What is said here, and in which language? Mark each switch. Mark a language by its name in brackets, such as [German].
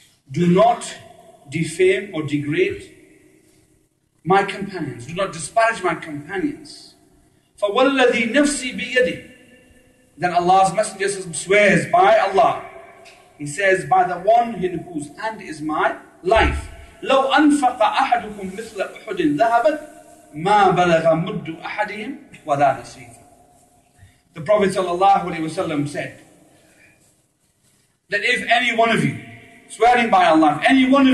[English] Do not defame or degrade my companions. Do not disparage my companions. For [Arabic] walladhi nafsi bi yadi. [English] Then Allah's Messenger swears by Allah. He says, "By the one in whose hand is my life." [Arabic] لو أنفق أحدكم مثل أحد ذهبا ما بلغ مد أحدهم ولا نصيفا. [English] The Prophet sallallahu alaihi wasallam said that if any one of you, swearing by Allah, if any